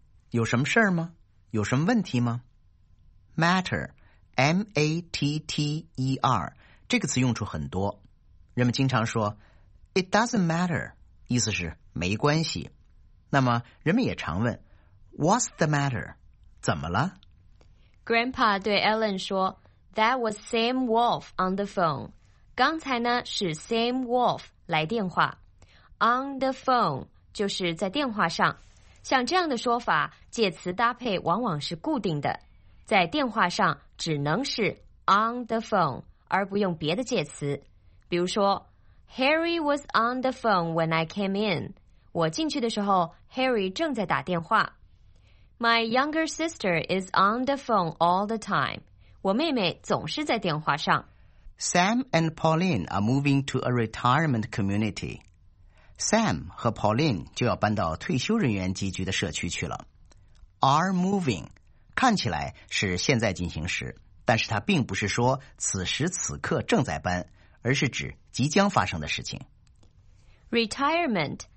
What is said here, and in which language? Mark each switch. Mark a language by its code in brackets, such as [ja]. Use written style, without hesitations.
[zh] 有什么事儿吗？有什么问题吗？Matter, M-A-T-T-E-R 这个词用处很多。人们经常说 [en] It doesn't matter, [zh] 意思是没关系。那么人们也常问 [en] What's the matter? [zh] 怎么了? [en] Grandpa [zh] 对 Alan 说 [en] That was Sam Wolfe on the phone. [zh] 刚才呢是 Sam Wolfe 来电话。On the phone 就是在电话上。像这样的说法，介词搭配往往是固定的，在电话上只能是 on the phone 而不用别的介词。比如说 [en] Harry was on the phone when I came in. [zh] 我进去的时候, Harry正在打电话。 [en] My younger sister is on the phone all the time. [zh] 我妹妹总是在电话上。Sam [en] and Pauline are moving to a retirement community. [zh] Sam和Pauline就要搬到退休人员集居的社区去了。Are moving, 看起来是现在进行时,但是它并不是说此时此刻正在搬。而是指即将发生的事情。Retirement